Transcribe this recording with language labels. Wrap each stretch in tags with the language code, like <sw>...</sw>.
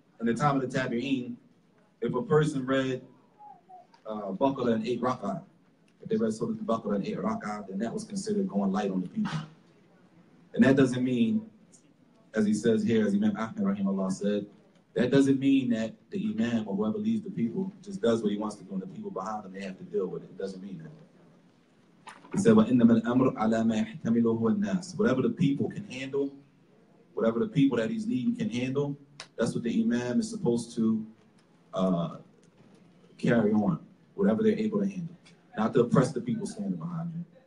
<en>in the time of the Tabi'een, if a person read Baqarah and eight Raka'ah, if they read Surah Baqarah and eight Raka'ah, then that was considered going light on the people. And that doesn't mean, as he says here, as Imam Ahmed Rahimullah said, that doesn't mean that the Imam or whoever leads the people just does what he wants to do and the people behind him, they have to deal with it. It doesn't mean that. He said,</en> <ar>وَإِنَّمَا الْأَمْرُ عَلَى مَا يَحْتَمِلُهُ النَّاسِ.</ar> <en>Whatever the people can handle, whatever the people that he's leading can handle, that's what the Imam is supposed to carry on, whatever they're able to handle. Not to oppress the people standing behind him.</en>